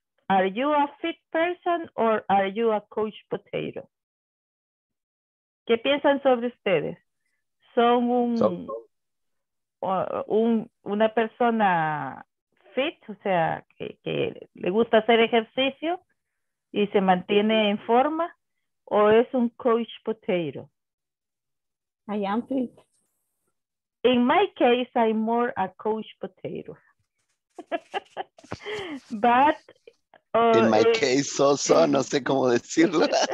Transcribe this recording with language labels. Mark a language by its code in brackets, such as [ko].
[en] Are you a fit person or are you a Coach Potato? [es] ¿Qué piensan sobre ustedes? ¿Son una persona fit, o sea, que le gusta hacer ejercicio y se mantiene en forma, o es un Coach Potato? [en] I am fit. In my case, I'm more a Coach Potato. But in my case, also, [es] no sé cómo decirlo.